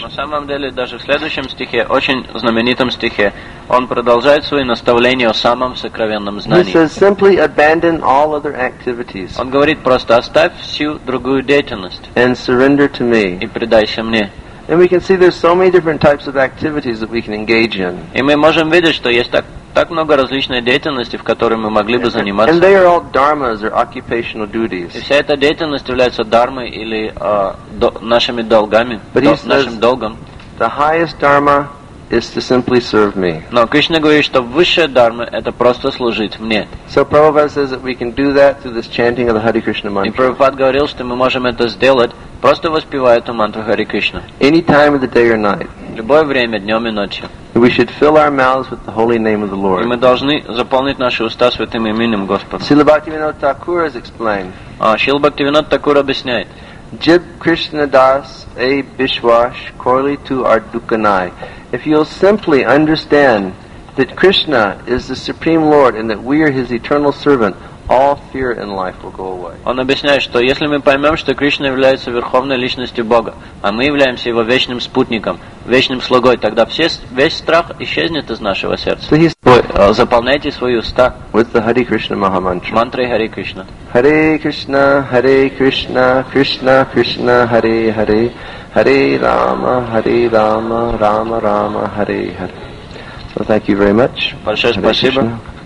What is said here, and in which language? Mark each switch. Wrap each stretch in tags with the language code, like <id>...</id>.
<ru>На самом деле, даже в следующем стихе, очень знаменитом стихе, он продолжает свои наставления о самом сокровенном знании.</ru> <en>He says, simply abandon all other activities.</en> <ru>Он говорит, просто оставь всю другую деятельность.</ru> <en>And surrender to me.</en> <ru>И предайся мне.</ru> <en>And we can see there's so many different types of activities that we can engage in.</en> <ru>И мы можем видеть, что есть так много различной деятельности, в которой мы могли бы заниматься.</ru> <en>And they are all dharmas or occupational duties.</en> <ru>И вся эта деятельность является дармой или нашими долгами, нашим долгом.</ru> <en>The highest dharma is to simply serve me.</en> <ru>Но Кришна говорит, что высшая дарма это просто служить мне.</ru> <en>So Prabhupada says that we can do that through this chanting of the Hare Krishna mantra.</en> <ru>И Прабхупад говорил, что мы можем это сделать, просто воспевая эту мантру Хари Кришна.</ru> <en>Any time of the day or night.</en> <ru>Любое время, днем и ночью.</ru> <en>We should fill our mouths with the holy name of the Lord.</en> <ru>И мы должны заполнить наши уста святым именем Господа.</ru> <en>Srila Bhaktivinoda Thakur has explained.</en> <ru>Srila Bhaktivinoda Thakur объясняет.</ru> <bn>Jib Krishna Das A Bishwash Korli Tu Ardukanai.</bn> <en>If you'll simply understand that Krishna is the Supreme Lord and that we are His eternal servant, All fear in life will go away.</en> <ru>Он объясняет, что если мы поймем, что Кришна является верховной личностью Бога, а мы являемся его вечным спутником, вечным слугой, тогда все, весь страх исчезнет из нашего сердца. Заполняйте свои уста</ru> <en>with the Hare Krishna Maha Mantra.</en> <ru>Мантрой Hare Krishna.</ru> <sa>Hare Krishna, Hare Krishna, Krishna Krishna, Hare Hare. Hare Rama, Hare Rama, Rama Rama, Hare Hare.</sa> <en>So thank you very much.</en> <ru>Большое спасибо.</ru>